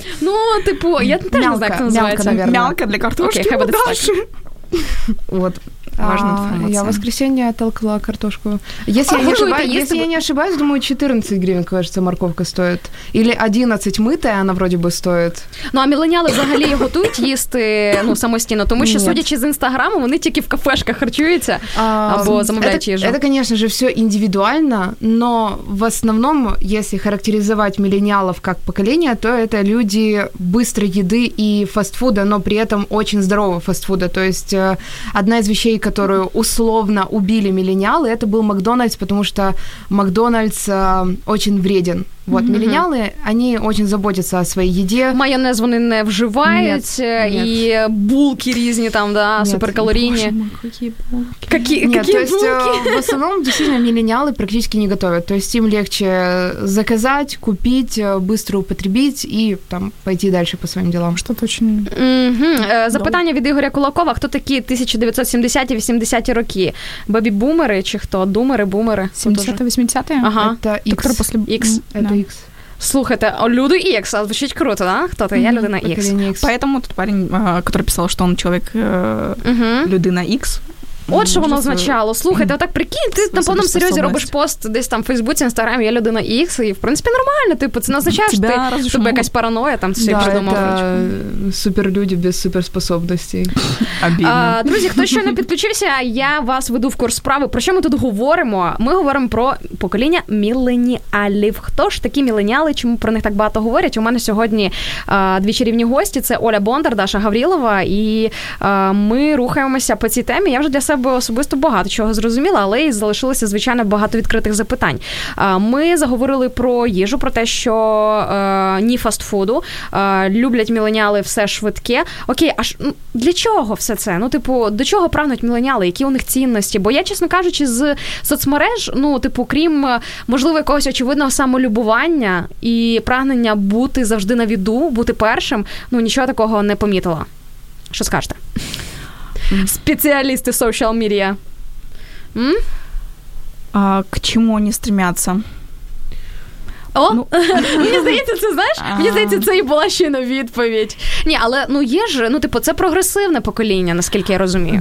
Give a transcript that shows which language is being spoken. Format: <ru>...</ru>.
<ru>Ну, типу, я не знаю, как это называется. Мялка для картошки. Вот. Я в воскресенье толкала картошку. Если я не ошибаюсь, думаю, 14 гривен, кажется, морковка стоит. Или 11 мытая она вроде бы стоит.</ru> <uk>Ну, а миленіали взагалі готують їсти, ну, самостійно? Тому що, судячи з Інстаграму, вони тільки в кафешках харчуються або замовляють їжу.</uk> <ru>Это, конечно же, все индивидуально, но в основном, если характеризовать миленіалов как поколение, то это люди быстрой еды и фастфуда, но при этом очень здорового фастфуда. То есть одна из вещей, которую условно убили миллениалы, это был Макдональдс, потому что Макдональдс очень вреден. Вот, mm-hmm. миллениалы, они очень заботятся о своей еде.</ru> <uk>Майонез вони не вживают, и булки різні там, да, суперкалорийные.</uk> <ru>Какие булки? В основном, действительно, миллениалы практически не готовят. То есть им легче заказать, купить, быстро употребить и там пойти дальше по своим делам. Что-то очень... Mm-hmm. Запитание от Игоря Кулакова. Кто такие 1970-е, 80-е роки? Бэби-бумеры,</ru> <uk>чи хто?</uk> <ru>Думеры, бумеры? 70-е, 80-е? Ага. Это X. После... X. Это X.</ru> <uk>Слухайте, люди X,</uk> <ru>а звучит круто,</ru> <uk>да?</uk> <ru>Кто-то, я людина X. Поэтому тот парень, который писал, что он человек,</ru> <uk>людина X. От що воно означало. Слухайте, отак прикинь, ти на повному серйозі робиш пост десь там в Фейсбуці, Інстаграмі, я людина X, і в принципі нормально, типу, це не означає, що тебе якась параноя там, це придумав.</uk> <ru>Суперлюди без суперспособностей.</ru> <uk>Друзі, хто ще не підключився, я вас веду в курс справи. Про що ми тут говоримо? Ми говоримо про покоління міленіалів. Хто ж такі міленіали, чому про них так багато говорять? У мене сьогодні дві чарівні гості, це Оля Бондар, Даша Гаврілова, і ми рухаємося по цій темі. Я вже для себе особисто багато чого зрозуміла, але і залишилося, звичайно, багато відкритих запитань. Ми заговорили про їжу, про те, що ні фастфуду, люблять міленіали все швидке. Окей, а для чого все це? Ну, типу, до чого прагнуть міленіали? Які у них цінності? Бо я, чесно кажучи, з соцмереж, ну, типу, крім, можливо, якогось очевидного самолюбування і прагнення бути завжди на віду, бути першим, ну, нічого такого не помітила. Що скажете?</uk> <ru>Специалисты social media. А к чему они стремятся?</ru> <uk>О, ну, мені здається, це, знаєш, мені здається, це і була ще на відповідь. Ні, але, ну, є ж, ну, типу, це прогресивне покоління, наскільки я розумію.</uk>